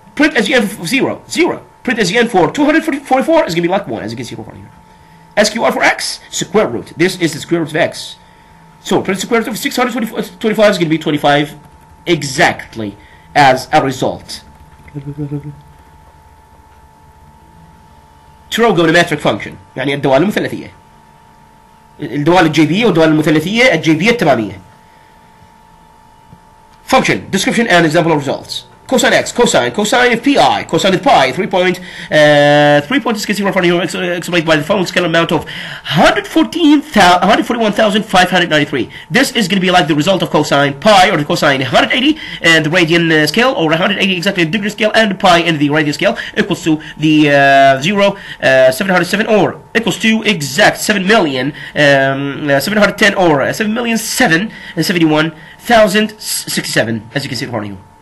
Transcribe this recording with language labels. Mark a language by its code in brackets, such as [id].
[en] Print SGN for 0, 0. Print SGN for 244 is going to be like 1, as you can see right here. SQR for X, square root. This is the square root of X. So print square root of 625 is going to be 25 exactly as a result. [ar] Trigonometric function, يعني الدوال المثلثية. الدوال الجيبية والدوال المثلثية الجيبية التمامية. [en] Function, description and example of results. Cosine x, cosine of pi, cosine of pi, 3 point is getting from here, explained by the following scale amount of 141,593. This is going to be like the result of cosine pi, or the cosine 180, and the radian scale, or 180 exactly the degree scale, and pi in the radian scale, equals to the 0,707, or equals to exact 7,071,067, as you can see from here.